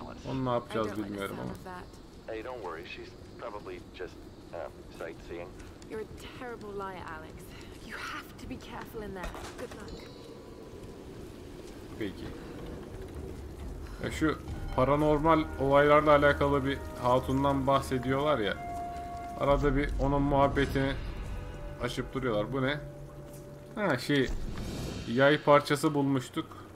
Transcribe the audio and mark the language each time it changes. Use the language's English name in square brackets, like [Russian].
[Turkish] Onu ne yapacağız bilmiyorum ama. [English] Hey, don't worry. She's probably just sightseeing. You're a terrible liar, Alex. You have to be careful in there. Good luck. [Turkish] Peki. Ya şu paranormal olaylarla alakalı bir hatundan bahsediyorlar ya. Arada bir onun muhabbetini açıp duruyorlar. Bu ne? Ha şey. Yay parçası bulmuştuk.